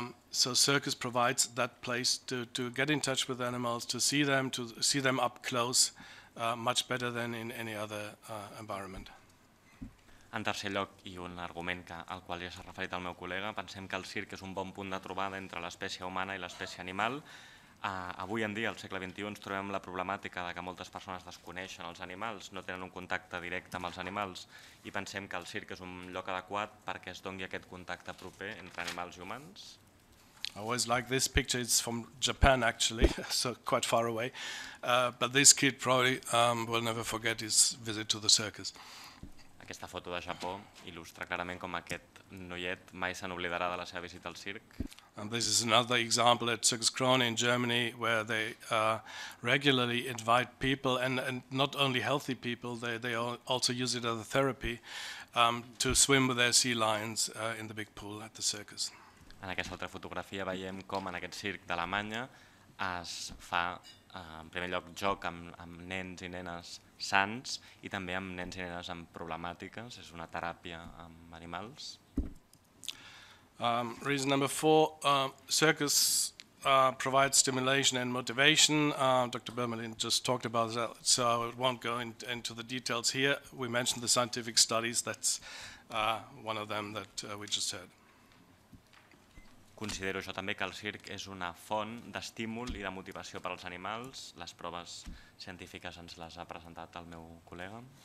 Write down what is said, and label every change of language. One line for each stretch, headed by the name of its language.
English: So circus provides that place to get in touch with animals, to see them up close, much better than in any other environment.
Catalan: En tercer lloc, i un argument al qual ja s'ha referit el meu col·lega, pensem que el circ és un bon punt de trobada entre l'espècie humana i l'espècie animal. Avui en dia, al segle XXI, ens trobem la problemàtica de que moltes persones desconeixen els animals, no tenen un contacte directe amb els animals, i pensem que el circ és un lloc adequat perquè es doni aquest contacte proper entre animals i humans.
English: I always like this picture. It's from Japan, actually, so quite far away. But this kid probably will never forget his visit to the circus.
Catalan: Aquesta foto de Japó il·lustra clarament com aquest noiet mai se n'oblidarà de la seva visita al circ.
English: And this is another example at Circus Krone in Germany, where they regularly invite people, and not only healthy people, they also use it as a therapy, to swim with their sea lions in the big pool at the circus.
Catalan: En aquesta altra fotografia veiem com en aquest circ d'Alemanya es fa, en primer lloc, joc amb nens i nenes sants i també amb nens i nenes amb problemàtiques. És una teràpia amb animals.
English: Reason number four, circus provides stimulation and motivation. Dr. Bermelin just talked about that, so I won't go into the details here. We mentioned the scientific studies, that's one of them that we just heard.
Catalan: Considero jo també que el circ és una font d'estímul i de motivació per als animals. Les proves científiques ens les ha presentat el meu col·lega.